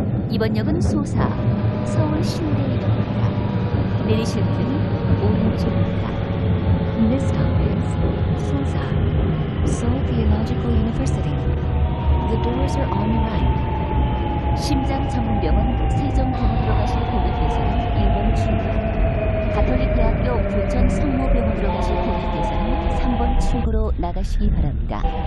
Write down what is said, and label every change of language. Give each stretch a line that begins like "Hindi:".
Korean: 이번 역은 소사, 서울 신대역입니다. 내리실 분 오른쪽입니다.
English: This stop is Sosa, Seoul Theological University. The doors are on your right.
Korean: 심장 전문병원 세종대로 들어가실 고객께서는 1번 출구, 가톨릭대학교 부천 성모병원 들어가실 고객께서는 3번 출구로 나가시기 바랍니다.